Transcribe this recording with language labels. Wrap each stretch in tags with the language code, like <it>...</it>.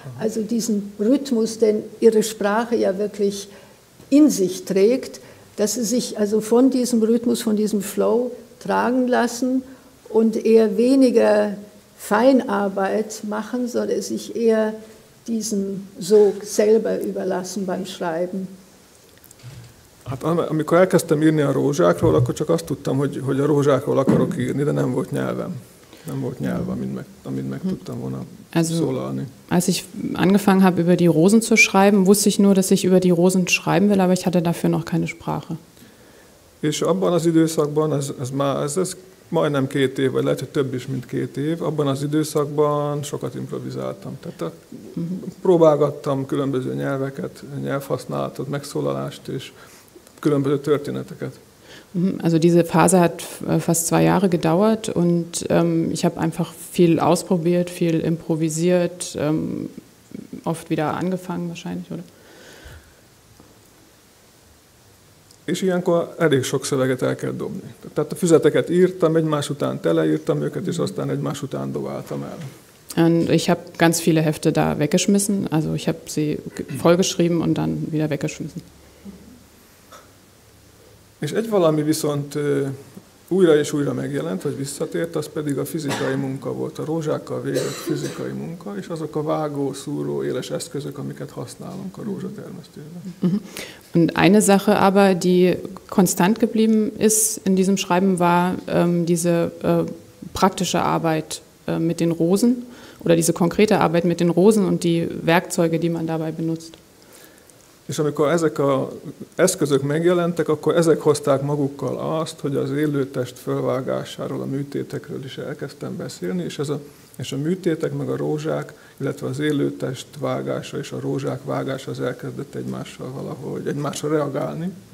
<de>Also diesen Rhythmus, den Ihre Sprache ja wirklich in sich trägt, dass Sie sich also von diesem Rhythmus, von diesem Flow tragen lassen und eher weniger Feinarbeit machen, sondern sich eher diesem Sog selber überlassen beim Schreiben.</de> <hu>Hát amikor elkezdtem írni a rózsákról, akkor csak azt tudtam, hogy a rózsákról akarok írni, de nem volt nyelvem. Nem volt nyelvem, amit meg tudtam volna szólalni.</hu> <de>Als ich angefangen habe, über die Rosen zu schreiben, wusste ich nur, dass ich über die Rosen schreiben will, aber ich hatte dafür noch keine Sprache.</de> <hu>És abban az időszakban, ez majdnem 2 év, vagy lehet, hogy több is, mint 2 év, abban az időszakban sokat improvizáltam. Tehát próbálgattam különböző nyelveket, nyelvhasználatot, megszólalást és különböző történeteket.</hu> <de>Also diese Phase hat fast 2 Jahre gedauert und ich habe einfach viel ausprobiert, viel improvisiert, oft wieder angefangen wahrscheinlich, oder?</de> <hu>És ilyenkor elég sok szöveget el kell dobni. Tehát a füzeteket írtam, egymás után teleírtam őket, és aztán egymás után dobáltam el.</hu> <de>Und ich habe ganz viele Hefte da weggeschmissen, also ich habe sie vollgeschrieben und dann wieder weggeschmissen.</de> <hu>És egy valami viszont újra és újra megjelent, vagy visszatért, az pedig a fizikai munka volt, a rózsákkal végzett fizikai munka, és azok a vágó, szúró, éles eszközök, amiket használunk a rózsatermesztőben.</hu> <de>Und eine Sache aber, die konstant geblieben ist in diesem Schreiben, war diese praktische Arbeit mit den Rosen, oder diese konkrete Arbeit mit den Rosen und die Werkzeuge, die man dabei benutzt.</de> <hu>És amikor ezek az eszközök megjelentek, akkor ezek hozták magukkal azt, hogy az élőtest fölvágásáról, a műtétekről is elkezdtem beszélni, és a műtétek, meg a rózsák, illetve az élőtest vágása és a rózsák vágása az elkezdett egymással valahogy, egymásra reagálni.</hu>